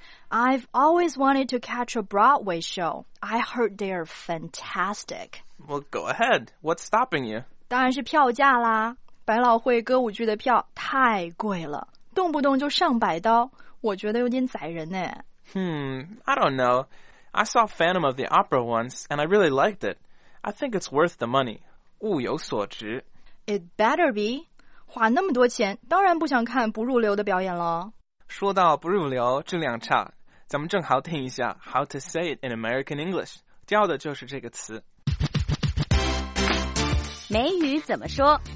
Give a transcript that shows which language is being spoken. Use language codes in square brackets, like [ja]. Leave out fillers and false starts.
[en] I've always wanted to catch a Broadway show. I heard they are fantastic. Well, go ahead. What's stopping you? [zh] 当然是票价啦。百老汇歌舞剧的票太贵了，动不动就上百刀，我觉得有点宰人呢。 [en] I don't know. I saw Phantom of the Opera once, and I really liked it. I think it's worth the money. [zh] 物有所值。 [en] It better be. [zh] 花那么多钱，当然不想看不入流的表演了。说到不入流，质量差，咱们正好听一下 [en] How to say it in American English， [zh] 教的就是这个词。美语怎么说